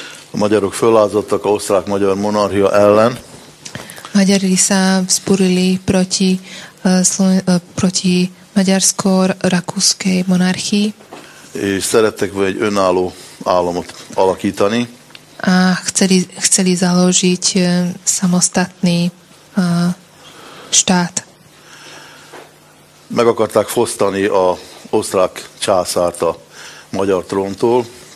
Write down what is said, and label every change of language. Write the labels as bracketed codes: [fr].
[hu] a Maďarok föllázottak a osztrák-magyar monarchia ellen. [sk] Maďari sa vzburili proti proti maďarsko-rakúskej monarchii. [hu] És szerettek egy önálló államot alakítani. [sk] A chceli založiť samostatný štát. [hu] Meg akarták fosztani a osztrák császárt a magyar tróntól.